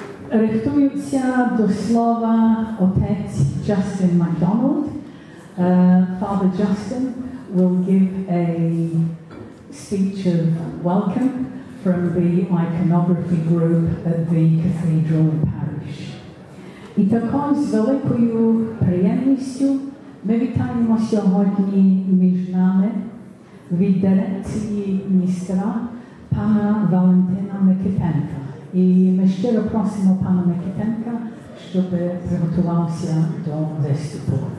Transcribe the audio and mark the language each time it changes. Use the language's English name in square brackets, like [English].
[Ukrainian] Рихтуються до слова отець Джастін Макдональд. [English] Father Justin will give a speech of welcome from the iconography group at the Cathedral Parish. [Ukrainian] І також з великою приємністю ми вітаємо сьогодні між нами від дирекції містра пана Валентина Микитенка. І ми щиро просимо пана Микитенка, щоб приготувався до виступу.